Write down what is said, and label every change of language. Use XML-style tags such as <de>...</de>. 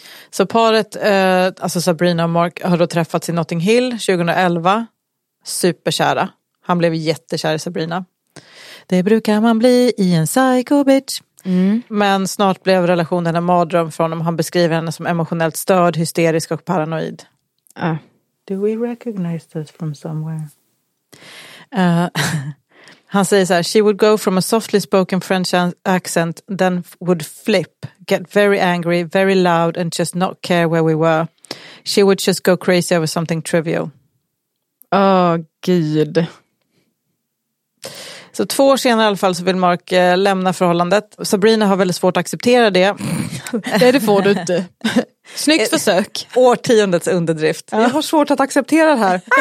<sv>Så paret, alltså Sabrina och Mark, har då träffats i Notting Hill 2011. Superkära. Han blev jättekär i Sabrina. Det brukar man bli i en psycho bitch. Men snart blev relationen en mardröm för honom. Han beskriver henne som emotionellt störd, hysterisk och paranoid.</sv> <en>Do we recognize this from somewhere?</en> <sv>Han säger så här,</sv> <en>she would go from a softly spoken French accent, then would flip, get very angry, very loud and just not care where we were. She would just go crazy over something trivial.</en> <sv>Åh, gud. Så 2 år senare i alla fall så vill Mark lämna förhållandet. Sabrina har väldigt svårt att acceptera det. Det får du inte. Snyggt försök. Årtiondets underdrift. Jag har svårt att acceptera det här.</sv>